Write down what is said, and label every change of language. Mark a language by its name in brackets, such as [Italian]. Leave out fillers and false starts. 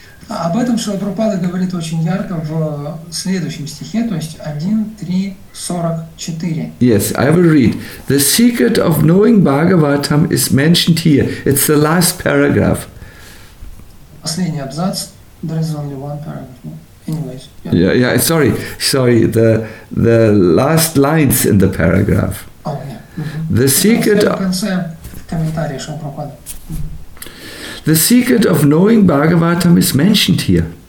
[Russian] Об этом Шрила Прабхупада говорит очень ярко в следующем стихе, то есть 1.3.44. [English] Yes, I will read. The secret of knowing Bhagavatam is mentioned here. It's the last paragraph. [Russian] Последний абзац. [English] There is only one paragraph. Anyways. Yeah, yeah, yeah, sorry. Sorry, the last lines in the paragraph. Oh, yeah. Mm-hmm. The secret... [Russian] В конце комментария Шрила Прабхупада. [English] The secret of knowing Bhagavatam is mentioned here.